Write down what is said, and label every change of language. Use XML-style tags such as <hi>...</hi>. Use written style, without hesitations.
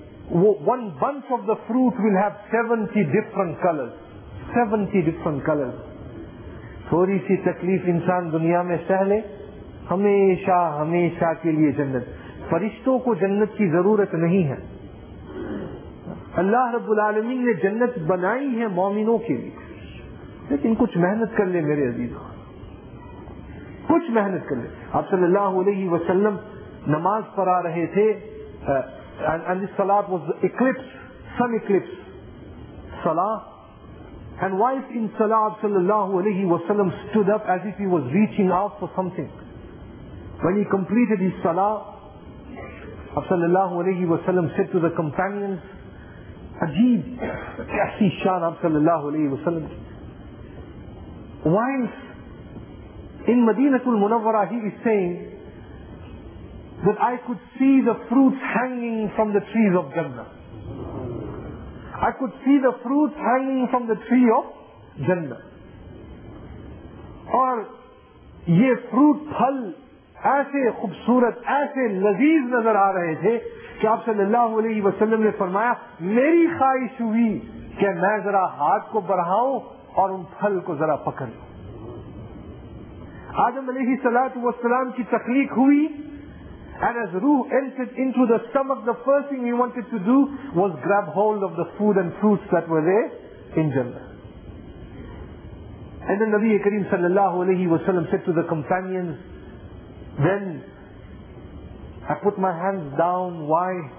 <en>One bunch of the fruit will have 70 different colors. 70 different colors.</en> <ur>تھوڑی سی تکلیف انسان دنیا میں سہ لے ہمیشہ ہمیشہ کے لیے جنت. فرشتوں کو جنت کی ضرورت نہیں ہے. اللہ رب العالمین نے جنت بنائی ہے مومنوں کے لیے, لیکن کچھ محنت کر لے میرے عزیزوں, کچھ محنت کر لے. آپ صلی اللہ علیہ وسلم نماز پڑھا رہے تھے</ur> <en>and this salat was eclipse, sun eclipse salah, and while in salah آپ صلی اللہ علیہ وسلم stood up as if he was reaching out for something. When he completed his salah, آپ صلی اللہ علیہ وسلم said to the companions,</en> <ur>عجیب کیسی شان آپ صلی اللہ علیہ وسلم کی.</ur> <en>Whilst in مدینہ المنورہ he is saying that I could see the fruits hanging from the trees of Jannah. I could see the fruits hanging from the tree of Jannah.</en> <ur>اور یہ فروٹ پھل ایسے خوبصورت ایسے لذیذ نظر آ رہے تھے کہ آپ صلی اللہ علیہ وسلم نے فرمایا میری خواہش ہوئی کہ میں ذرا ہاتھ کو بڑھاؤں اور ان پھل کو ذرا پکڑ لوں. آدم علیہ السلام کی تخلیق ہوئی</ur> <en>and as روح entered into the stomach the first thing he wanted to do was grab hold of the food and fruits that were there in Jannah. And then نبی کریم صلی اللہ علیہ وسلم said to the companions, then I put my hands down. Why?</en>